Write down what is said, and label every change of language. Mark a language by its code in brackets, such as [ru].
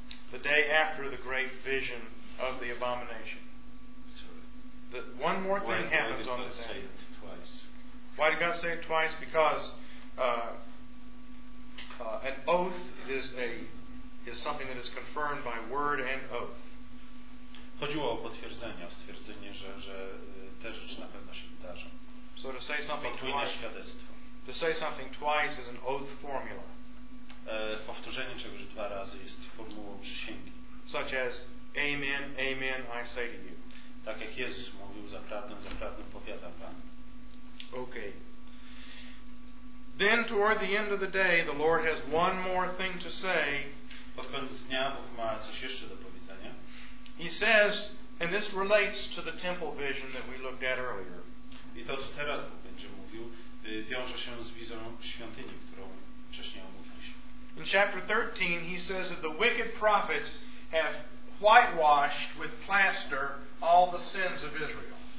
[en] The day after the great vision of the abomination. One more thing happens on this day. Why did God say it twice? Because an oath is something that is confirmed by word and oath. [pl] Chodziło o potwierdzenie, o stwierdzenie, że te rzeczy na pewno się wydarzą. [en] So to say something twice. To say something twice is an oath formula. [pl] Powtórzenie czegoś dwa razy jest formułą przysięgi. [en] Such as, amen, amen, I say to you. [pl] Tak jak Jezus mówił, zaprawdę powiadam wam. [en] Okay. Then toward the end of the day, the Lord has one more thing to say. [pl] Pod koniec dnia Bóg ma coś jeszcze do powiedzenia. [en] He says, and this relates to the temple vision that we looked at earlier. [pl] I to, co teraz będzie mówił, wiąże się z wizją świątyni, którą wcześniej omówiliśmy. [en] In chapter 13, he says that the wicked prophets have whitewashed with plaster all the sins of Israel.